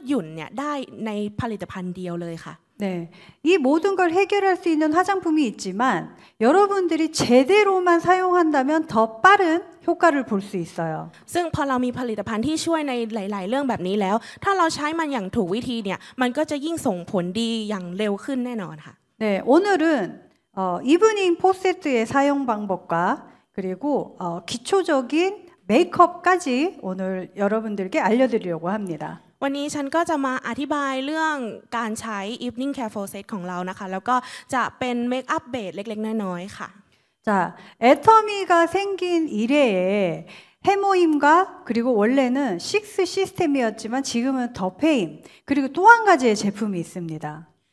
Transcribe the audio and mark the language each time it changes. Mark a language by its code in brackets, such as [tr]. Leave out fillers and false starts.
[th] 그ว่าเราเนี่ยสามารถใช้ผลิตภัณฑ์ของอาโทมี่เรานะคะแก้ไขในเรื่องของปัญหาสิวกระหรือว่าริ้วรอยหรือว่าความยืดหยุ่นเนี่ยได้ในผลิตภัณฑ์เดียวเลยค่ะ [ko] 네, 이 모든 걸 해결할 수 있는 화장품이 있지만 여러분들이 제대로만 사용한다면 더 빠른 효과를 볼 수 있어요. [th] ซึ่งพอเรามีผลิตภัณฑ์ที่ช่วยในหลายๆเรื่องแบบนี้แล้วถ้าเราใช้มันอย่างถูกวิธีเนี่ยมันก็จะยิ่งส่งผลดีอย่างเร็วขึ้นแน่นอนค่ะ [ko] 네, 오늘은 이브닝 포세트의 사용 방법과 그리고 기초적인 메이크업까지 오늘 여러분들께 알려드리려고 합니다. [th] วันนี้ฉันก็จะมาอธิบายเรื่องการใช้อีฟนิ่งแคร์โฟเซตของเรานะคะแล้วก็จะเป็นเมคอัพเบสเล็กๆน้อยๆค่ะ [ko] 자, 애터미가 생긴 이래에 해모임과 그리고 원래는 식스 시스템이었지만 지금은 더페임 그리고 또 한 가지의 제품이 있습니다.